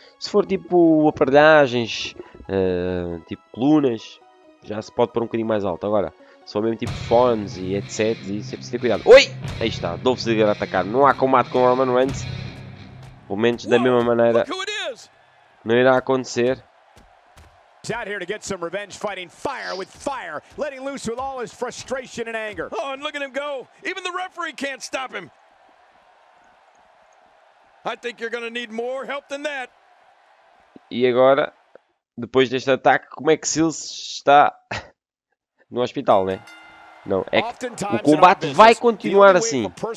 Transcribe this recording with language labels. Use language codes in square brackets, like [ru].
[pt] Se for tipo aparelhagens, tipo colunas, já se pode pôr um bocadinho mais alto. Agora, se for mesmo tipo fones e etc, e sempre se tem cuidado. Oi! Aí está, Dolph Ziggler a atacar. Não há combate com Roman Reigns. Pelo menos da mesma maneira, não irá acontecer. [en] Out here to get some revenge, fighting fire with fire, letting loose with all his frustration and anger. Oh, and look at him go. Even the referee can't stop him. I think you're going to need more help than that. [pt] E agora, depois deste ataque, como é que Silas está no hospital, né? Não, é que o combate vai continuar assim.